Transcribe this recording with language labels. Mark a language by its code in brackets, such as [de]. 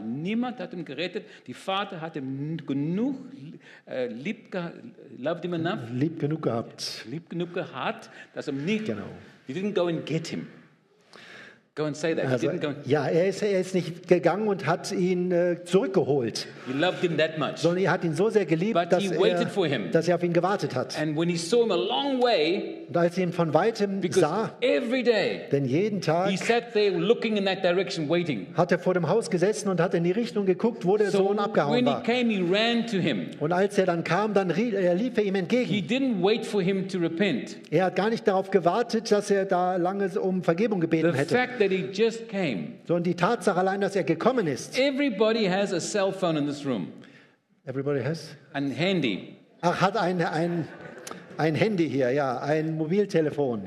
[de] Niemand hat ihn gerettet. Der Vater hat ihm genug lieb genug gehabt, dass er nicht. Genau. [en] He didn't go and get him. Go and say that. [de] Also, [en] he didn't go. [de] Ja, er ist nicht gegangen und hat ihn zurückgeholt. [en] He loved him that much. [de] Sondern er hat ihn so sehr geliebt, dass er auf ihn gewartet hat. [en] And when he saw him a long way. [de] Und als er ihn von weitem sah, [en] every day, [de] denn jeden Tag, [en] he sat there looking in that direction, waiting. [de] Hat er vor dem Haus gesessen und hat in die Richtung geguckt, wo der Sohn abgehauen war. [en] He came, he ran to him. [de] Und als er dann kam, dann lief er ihm entgegen. [en] He didn't wait for him to repent. [de] Er hat gar nicht darauf gewartet, dass er da lange um Vergebung gebeten [en] the [de] hätte. [en] Fact that he just came. [de] So, und die Tatsache allein, dass er gekommen ist. [en] Everybody has a cell phone in this room. Everybody has? A handy. [de] Ach, hat ein Handy hier, ja, ein Mobiltelefon.